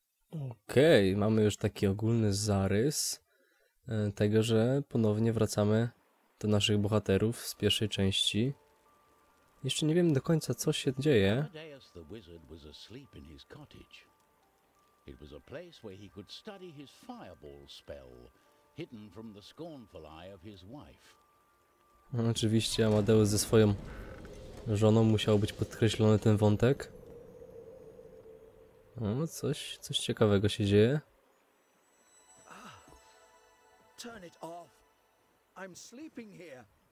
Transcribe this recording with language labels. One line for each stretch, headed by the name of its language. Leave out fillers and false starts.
Polish: Okej, mamy już taki ogólny zarys tego, że ponownie wracamy do naszych bohaterów z pierwszej części. Jeszcze nie wiem do końca, co się dzieje.
English: Amadeus the wizard was asleep in his cottage. It was a place where he could study his fireball spell, hidden from the scornful eye of his wife.
Polish: Oczywiście Amadeus ze swoją żoną, musiał być podkreślony ten wątek. No, coś ciekawego się dzieje.
English: Turn it off. I'm sleeping here.